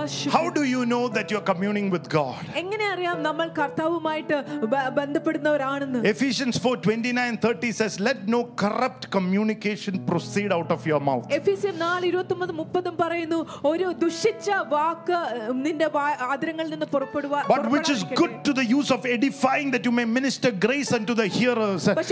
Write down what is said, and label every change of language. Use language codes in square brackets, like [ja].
[en] how do you know that you are communing with God? [ml] എങ്ങനെ അറിയാം നമ്മൾ കർത്താവുമായിട്ട് ബന്ധപ്പെടുന്നവരാണെന്ന്? [en] Ephesians 4:29-30 says, let no corrupt communication proceed out of your mouth. [ml] Ephesians 4:29-30 പറയുന്നു, ഒരു ദുഷിച്ച വാക്ക് നിന്റെ അധരങ്ങളിൽ നിന്ന് പുറപ്പെടുവാൻ. [en] But which is good to the use of edifying, that you may minister grace unto the hearers.